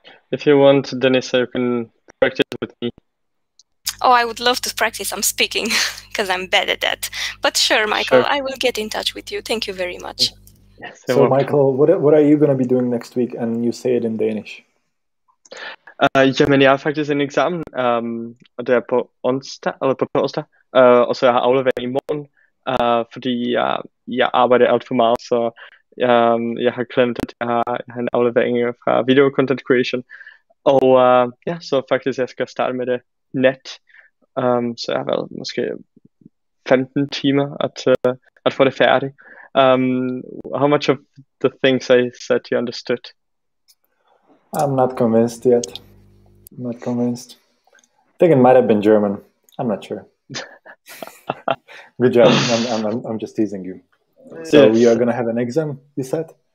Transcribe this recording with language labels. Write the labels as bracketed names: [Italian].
[English] If you want, Denisa, you can practice with me. Oh, I would love to practice. I'm speaking because I'm bad at that. But sure, Michael, sure. I will get in touch with you. Thank you very much. Yeah. Yes, so, Michael, what are you going to be doing next week? And you say it in Danish. Germany, I practice an exam. [Danish] Der på onsdag eller på torsdag, og så jeg har aflevering i morgen, fordi jeg arbejder alt for meget, så jeg har klemt at jeg har en aflevering fra [English] video content creation. [Danish] Og ja, så faktisk jeg skal starte med det net, så jeg har vel måske 15 timer at få det færdigt. [English] How much of the things I said you understood? I'm not convinced yet. I'm not convinced. I think it might have been German. I'm not sure. Good job. I'm just teasing you. So you are going to have an exam, you said?